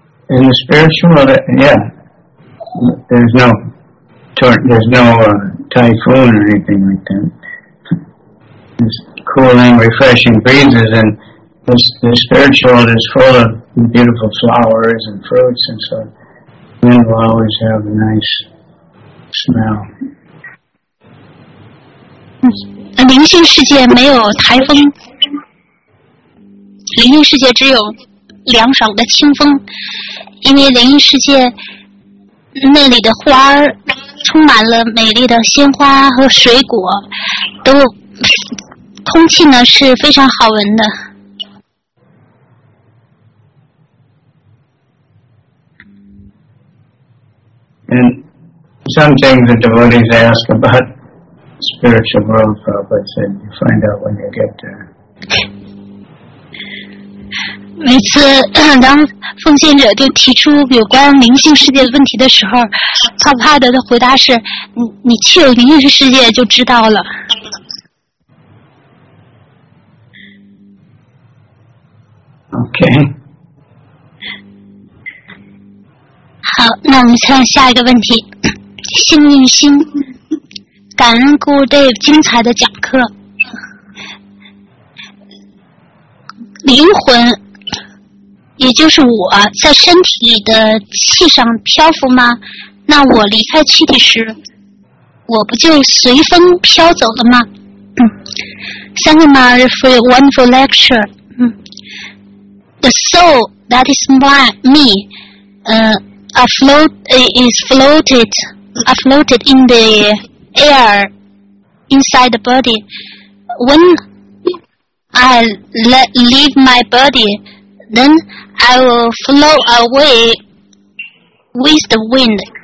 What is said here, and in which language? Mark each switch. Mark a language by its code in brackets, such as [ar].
[en] In the spiritual world, yeah, there's no typhoon or anything like that. There's cooling, refreshing breezes, and the spiritual world is full of beautiful flowers and fruits, and so wind will always have a nice smell. [zh] 灵性世界没有台风，灵性世界只有凉爽的清风。因为灵异世界那里的花充满了美丽的鲜花和水果，都空气呢是非常好闻的。 [en] And something the devotees ask about spiritual world, Prabhupada said, you find out when you get there. [zh] 每次当奉献者就提出有关灵性世界的问题的时候，帕帕德的回答是：你去有灵性世界就知道了。 OK。好，那我们看下一个问题。幸运星，感恩 Gurudev 精彩的讲课。灵魂，也就是我，在身体的气上漂浮吗？那我离开躯体时，我不就随风飘走了吗？ [en] Thank you, Maharaj, for your wonderful lecture. The soul that is me, afloated in the air inside the body. When I leave my body, then I will flow away with the wind.